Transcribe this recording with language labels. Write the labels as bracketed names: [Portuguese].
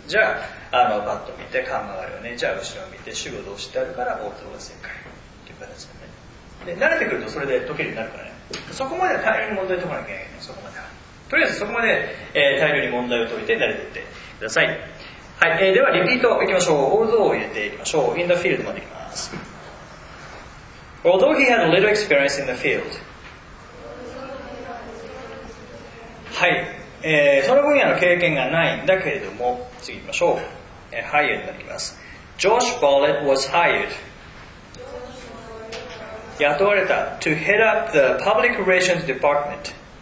[Japanese] じゃあ、パッと見て、カンマがあるよね。じゃあ、後ろを見て、主語どうしてあるから、オートが正解。っていう形だね。で、慣れてくるとそれで解けるようになるからね。そこまでは大変に問題解かなきゃいけないの、そこまでは。とりあえずそこまで、大量に問題を解いて慣れていってください。はい、ではリピートいきましょう。 Although を入れていきましょう。 In the field までいきます。 [English] Although he had a little experience in the field. [Japanese] はい、その分野の経験がないんだけれども、次いきましょう。 [English] Hired になります。 Josh Bartlett was hired. 雇われた。 To head up the public relations department.